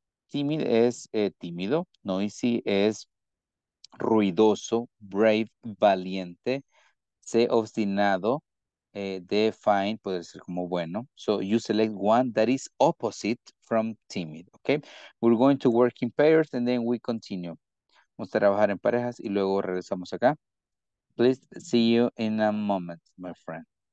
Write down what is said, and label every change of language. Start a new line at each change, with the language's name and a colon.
Spanish: Timid es tímido, noisy es ruidoso, brave, valiente, sé obstinado, define, puede ser como bueno.
English: So you select one that is opposite from timid, okay? We're going to work in pairs and then we continue.
Spanish: Vamos a trabajar en parejas y luego regresamos acá.
English: Please see you in a moment, my friend.